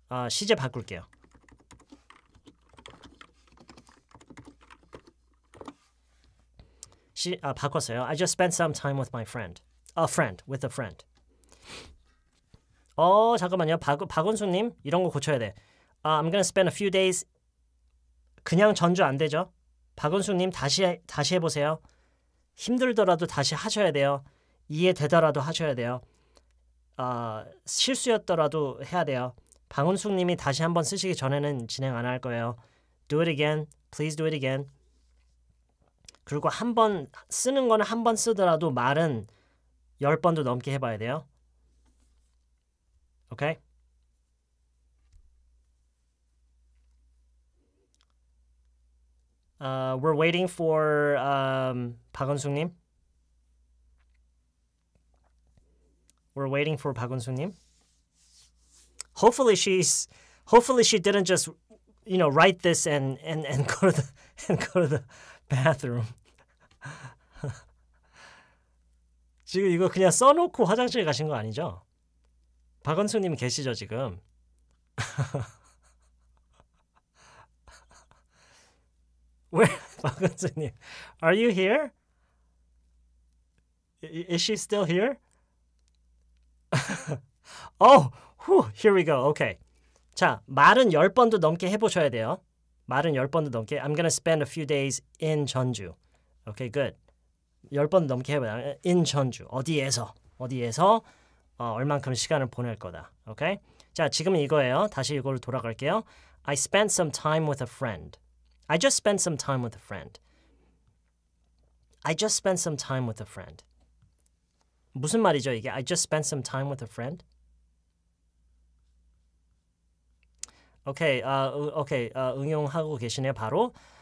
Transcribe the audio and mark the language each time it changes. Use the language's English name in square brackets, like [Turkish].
[Korean] 시제 바꿀게요. [English] I just spent some time with my friend. With a friend. [Korean] 잠깐만요. 박원숙님, 이런 거 고쳐야 돼. [English] I'm gonna spend a few days. [Korean] 그냥 전주 안 되죠? 박원숙님, 다시 해보세요. 힘들더라도 다시 하셔야 돼요. 이해되더라도 하셔야 돼요. 실수였더라도 해야 돼요. 방은숙님이 다시 한번 쓰시기 전에는 진행 안 할 거예요. [English] Do it again. Please do it again. [Korean] 그리고 한번 쓰는 거는 한번 쓰더라도 말은 열 번도 넘게 해봐야 돼요. [English] Okay? We're waiting for 박은숙님. We're waiting for 박은숙님. Hopefully she didn't just, you know, write this and go to the bathroom. [Korean] 지금 이거 그냥 써놓고 화장실 가신 거 아니죠? 박은숙님 계시죠 지금? [English] 박은수님, are you here? Is she still here? Oh, whew, here we go. Okay. [Korean] 자, 말은 열 번도 넘게 해보셔야 돼요. 말은 열 번도 넘게. [English] I'm gonna spend a few days in 전주. Okay, good. [Korean] 10번 넘게 해보자. In 전주 어디에서 어디에서 얼만큼 시간을 보낼 거다. 오케이? 자, 지금 이거예요. 다시 이걸로 돌아갈게요. [English] I spent some time with a friend. I just spent some time with a friend. I just spent some time with a friend. [Korean] 무슨 말이죠, 이게? [English] I just spent some time with a friend. [Korean] Okay, 응용하고 계시네요, 바로.